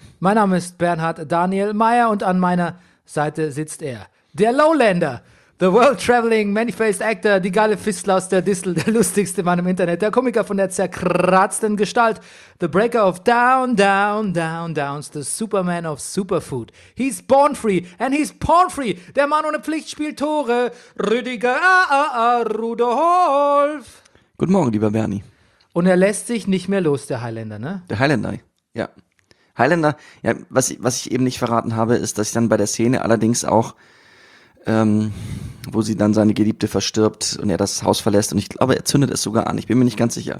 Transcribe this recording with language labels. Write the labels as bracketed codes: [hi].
[de] Mein Name ist Bernhard Daniel Meyer und an meiner Seite sitzt er, der Lowlander, [en] the world-traveling, many-faced actor, [de] die geile Fistler aus der Distel, der lustigste Mann im Internet, der Komiker von der zerkratzten Gestalt, [en] the breaker of down, down, down, downs, the Superman of Superfood. He's born free and he's porn free. [de] Der Mann ohne Pflicht spielt Tore, Rüdiger Rudolf. Guten Morgen, lieber Bernie. Und er lässt sich nicht mehr los, der Highlander, ne? Der Highlander, ja. Highlander, ja, was ich eben nicht verraten habe, ist, dass ich dann bei der Szene allerdings auch wo sie dann seine Geliebte verstirbt und er das Haus verlässt und ich glaube, er zündet es sogar an. Ich bin mir nicht ganz sicher.